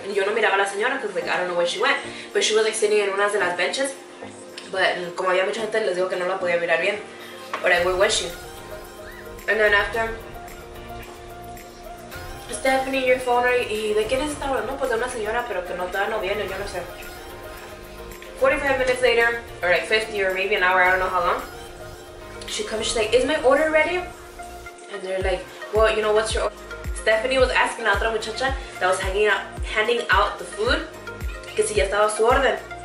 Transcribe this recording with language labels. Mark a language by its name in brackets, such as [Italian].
[Spanish] Yo no miraba a la señora, [English] because like, I don't know where she went. But she was like sitting [Spanish] en unas de las [English] benches. [Spanish] Pero como había mucha gente, les digo que no la podía mirar bien. [English] But I would wish you. And then after, Stephanie, your phone, [Spanish] ¿y de quién es esta hora? No, pues de una señora, pero que no está, no viene, yo no sé. [English] 45 minutes later, or like 50 or maybe an hour, I don't know how long, she comes, she's like, is my order ready? And they're like, well, you know, what's your order? Stephanie was asking [Spanish] a otra muchacha [English] that was handing out the food, [Spanish] que si ya estaba su orden.